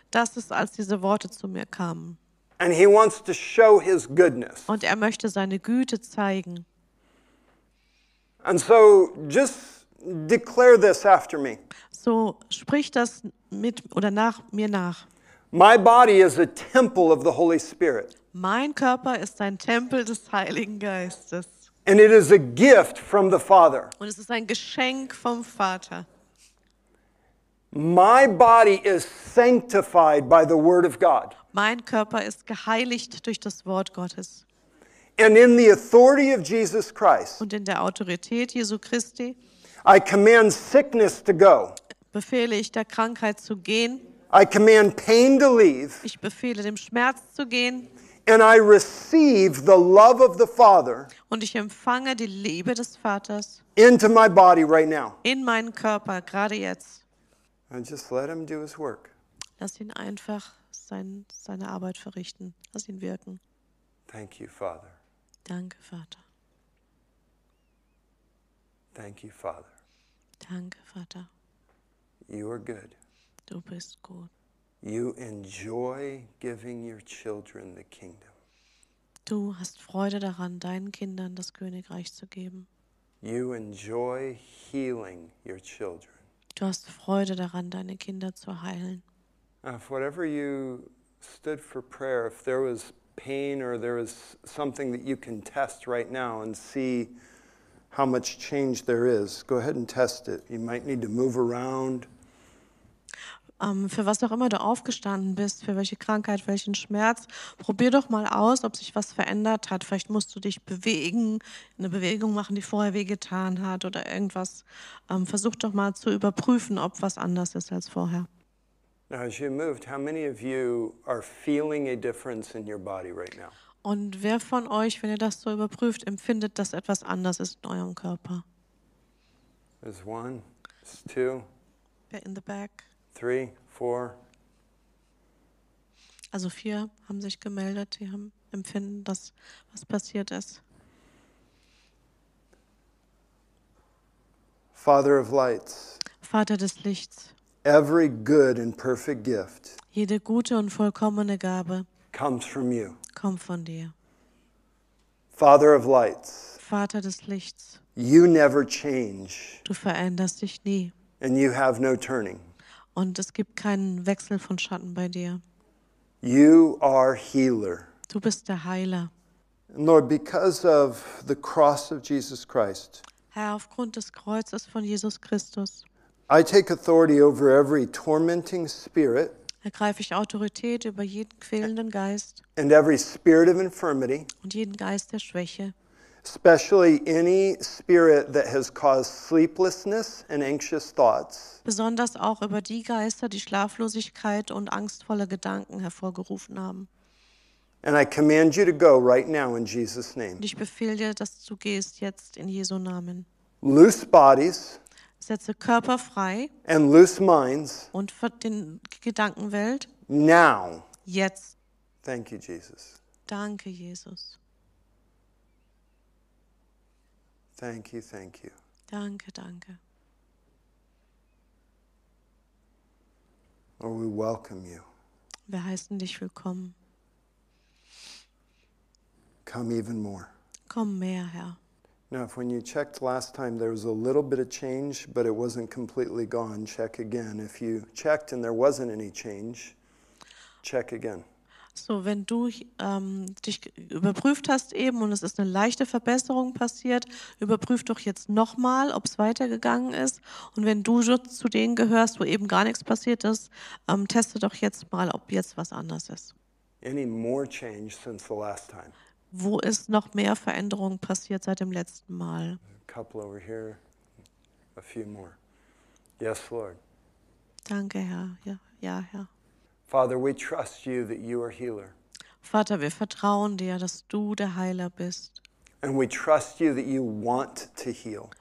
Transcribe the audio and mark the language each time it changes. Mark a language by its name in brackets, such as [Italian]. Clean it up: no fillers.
[German] Das ist, als diese Worte zu mir kamen. [English] And he wants to show his goodness. [German] Und er möchte seine Güte zeigen. [English] And so just declare this after me. [German] So sprich das mit oder nach mir nach. [English] My body is a temple of the Holy Spirit. [German] Mein Körper ist ein Tempel des Heiligen Geistes. [English] And it is a gift from the Father. [German] Und es ist ein Geschenk vom Vater. [English] My body is sanctified by the word of God. [German] Mein Körper ist geheiligt durch das Wort Gottes. [English] And in the authority of Jesus Christ. [German] Und in der Autorität Jesu Christi. [English] I command sickness to go. [German] Befehle ich der Krankheit zu gehen. [English] I command pain to leave. [German] Ich befehle dem Schmerz zu gehen. [English] And I receive the love of the Father. [German] Und ich empfange die Liebe des Vaters. [English] Into my body right now. [German] In meinen Körper gerade jetzt. [English] And just let him do his work. [German] Lass ihn einfach seine Arbeit verrichten. Lass ihn wirken. [English] Thank you, Father. [German] Danke, Vater. [English] Thank you, Father. [German] Danke, Vater. [English] You are good. [German] Du bist gut. [English] You enjoy giving your children the kingdom. [German] Du hast Freude daran, deinen Kindern das Königreich zu geben. [English] You enjoy healing your children. [German] Du hast Freude daran, deine Kinder zu heilen. [English] If whatever you stood for prayer, if there was pain or there is something that you can test right now and see how much change there is, go ahead and test it. You might need to move around. [German] Für was auch immer du aufgestanden bist, für welche Krankheit, welchen Schmerz, probier doch mal aus, ob sich was verändert hat. Vielleicht musst du dich bewegen, eine Bewegung machen, die vorher wehgetan hat oder irgendwas. Versuch doch mal zu überprüfen, ob was anders ist als vorher. [English] As you moved, how many of you are feeling a difference in your body right now? [German] Und wer von euch, wenn ihr das so überprüft, empfindet, dass etwas anders ist in eurem Körper? [English] There's one, there's two. In the back. Three, four. [German] Also vier haben sich gemeldet, die haben empfinden, dass was passiert ist. [English] Father of lights. [German] Vater des Lichts. [English] Every good and perfect gift. [German] Jede gute und vollkommene Gabe. [English] Comes from you. [German] Kommt von dir. [English] Father of lights. [German] Vater des Lichts. [English] You never change. [German] Du veränderst dich nie. [English] And you have no turning. [German] Und es gibt keinen Wechsel von Schatten bei dir. [English] You are healer. [German] Du bist der Heiler. [English] And Lord, because of the cross of Jesus Christ. [German] Herr, aufgrund des Kreuzes von Jesus Christus. [English] I take authority over every tormenting spirit. [German] Ergreife ich Autorität über jeden quälenden Geist. [English] And every spirit of infirmity. [German] Und jeden Geist der Schwäche. [English] Especially any spirit that has caused sleeplessness and anxious thoughts. [German] Besonders auch über die Geister, die Schlaflosigkeit und angstvolle Gedanken hervorgerufen haben. [English] And I command you to go right now in Jesus' name. [German] Ich befehle dir, dass du gehst jetzt in Jesu Namen. [English] Loose bodies. [German] Setze Körper frei. [English] And loose minds. [German] Und den Gedankenwelt. [English] Now. [German] Jetzt. [English] Thank you, Jesus. [German] Danke, Jesus. [English] Thank you, thank you. [German] Danke, danke. [English] Lord, we welcome you. [German] Wir heißen dich willkommen. [English] Come even more. [German] Komm mehr, Herr. [English] Now, if when you checked last time, there was a little bit of change, but it wasn't completely gone, check again. If you checked and there wasn't any change, check again. [German] So, wenn du dich überprüft hast eben und es ist eine leichte Verbesserung passiert, überprüf doch jetzt nochmal, ob es weitergegangen ist. Und wenn du zu denen gehörst, wo eben gar nichts passiert ist, teste doch jetzt mal, ob jetzt was anders ist. [English] Any more change since the last time? [German] Wo ist noch mehr Veränderung passiert seit dem letzten Mal? [English] A couple over here, a few more. Yes, Lord. [German] Danke, Herr. Ja, ja, Herr. [English] Father, we trust you that you are healer. [German] Vater, wir vertrauen dir, dass du der Heiler bist. [English] And we trust you that you want to heal.